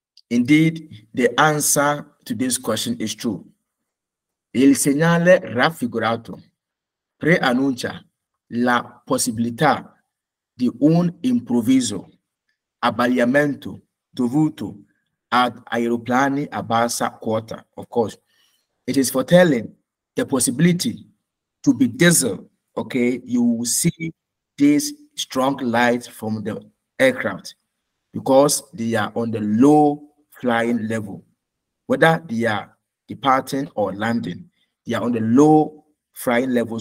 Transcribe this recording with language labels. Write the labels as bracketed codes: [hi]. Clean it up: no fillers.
[en] Indeed, the answer to this question is true. [it] Il segnale raffigurato preannuncia la possibilità di un improvviso abbagliamento dovuto ad aeroplani a bassa quota. [en] Of course, it is foretelling the possibility to be dazzled. Okay, you will see this strong light from the aircraft because they are on the low flying level. Whether they are departing or landing, they are on the low flying level.